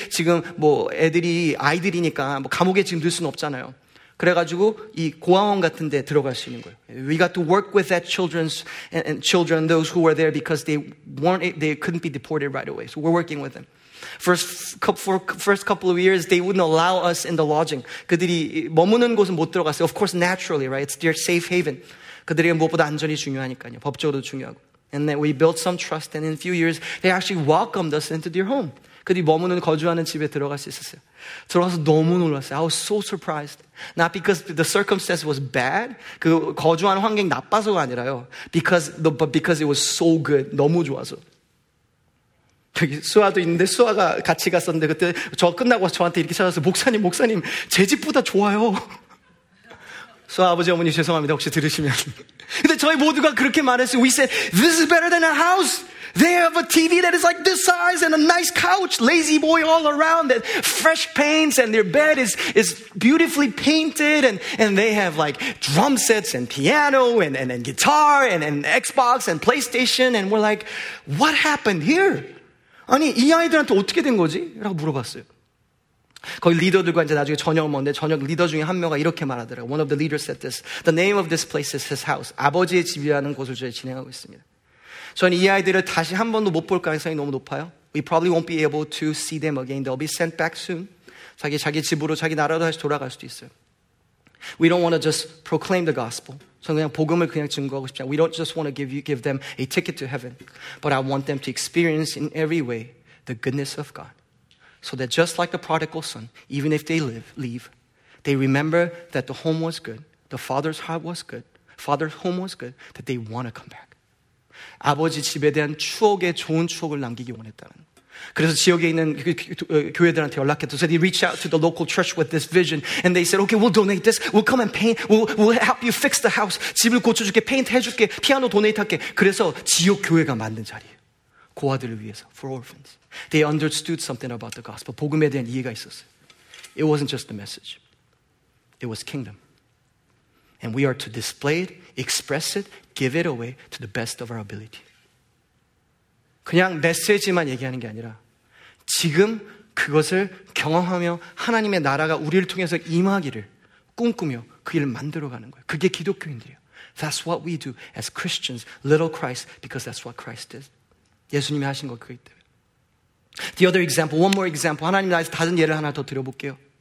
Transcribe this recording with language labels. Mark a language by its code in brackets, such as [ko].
[ko] 지금 뭐 애들이 아이들이니까 뭐 감옥에 지금 들 수는 없잖아요. 그래가지고 이 고아원 같은 데 들어갈 수 있는 거예요. [en] We got to work with that children's and children, those who were there because they couldn't be deported right away. So we're working with them. First couple of years, they wouldn't allow us in the lodging. [ko] 그들이 머무는 곳은 못 들어갔어요. [en] Of course, naturally, right? It's their safe haven. [ko] 그들이 무엇보다 안전이 중요하니까요. 법적으로도 중요하고. [en] And then we built some trust, and in a few years, they actually welcomed us into their home. [ko] 그들이 머무는 거주하는 집에 들어갈 수 있었어요. 들어가서 너무 놀랐어요. [en] I was so surprised. Not because the circumstance was bad. [ko] 그 거주하는 환경이 나빠서가 아니라요. [en] But because it was so good. [ko] 너무 좋아서. 저기 수아도 있는데 수아가 같이 갔었는데 그때 저 끝나고 저한테 이렇게 찾아서 목사님 제 집보다 좋아요. 수아 아버지 어머니 죄송합니다. 혹시 들으시면. 근데 저희 모두가 그렇게 말했어요. [en] We said this is better than a house. They have a TV that is like this size and a nice couch. Lazy boy all around and fresh paints and their bed is beautifully painted and they have like drum sets and piano and guitar and Xbox and PlayStation and we're like, what happened here? [ko] 아니, 이 아이들한테 어떻게 된 거지? 라고 물어봤어요. 거기 리더들과 이제 나중에 저녁 먹는데 저녁 리더 중에 한 명이 이렇게 말하더라고요. [en] One of the leaders said this. The name of this place is his house. [ko] 아버지의 집이라는 곳을 저희 진행하고 있습니다. 저는 이 아이들을 다시 한 번도 못 볼 가능성이 너무 높아요. [en] We probably won't be able to see them again. They'll be sent back soon. [ko] 자기 집으로 자기 나라로 다시 돌아갈 수도 있어요. [en] We don't want to just proclaim the gospel. [ko] 저는 그냥 복음을 그냥 증거하고 싶지 않아요. [en] We don't just want to give them a ticket to heaven. But I want them to experience in every way the goodness of God. So that just like the prodigal son, even if they leave, they remember that the home was good, the father's heart was good, father's home was good, that they want to come back. [ko] 아버지 집에 대한 추억에 좋은 추억을 남기기 원했다는 그래서 지역에 있는 교회들한테 연락했죠. [en] So they reached out to the local church with this vision and they said, okay, we'll donate this, we'll come and paint, we'll help you fix the house. [ko] 집을 고쳐줄게, 페인트 해줄게, 피아노 도네이트 할게. 그래서 지역 교회가 만든 자리예요. 고아들을 위해서, [en] for orphans. They understood something about the gospel. [ko] 복음에 대한 이해가 있었어요. [en] It wasn't just a message. It was kingdom. And we are to display it, express it, give it away to the best of our ability. [ko] 그냥 메시지만 얘기하는 게 아니라 지금 그것을 경험하며 하나님의 나라가 우리를 통해서 임하기를 꿈꾸며 그 일을 만들어가는 거예요. 그게 기독교인들이에요. [en] That's what we do as Christians, little Christ, because that's what Christ did. [ko] 예수님이 하신 거 그게 때문에. [en] The other example, one more example. [ko] 하나님 나라에서 다른 예를 하나 더 드려볼게요.